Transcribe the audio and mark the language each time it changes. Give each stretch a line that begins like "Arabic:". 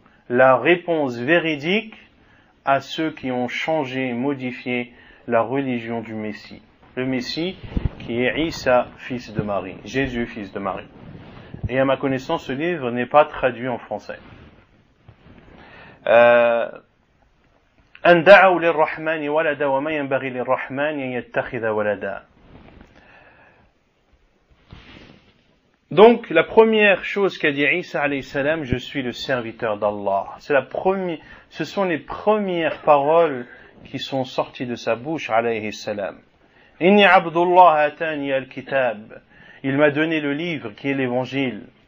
French: La réponse véridique à ceux qui ont changé, modifié la religion du Messie. Le Messie qui est Issa, fils de Marie, Jésus, fils de Marie. Et à ma connaissance, ce livre n'est pas traduit en français.
Arabic: أن دعوا للرحمن ولدا وما ينبغي للرحمن أن يتخذ ولدا.
French: Donc, la première chose qu'a dit Isa alayhi salam, je suis le serviteur d'Allah. Ce sont les premières paroles qui sont sorties de sa bouche alayhi salam.
Arabic: Inni abdullah atani al-kitab.
French: Il m'a donné le livre qui est l'évangile.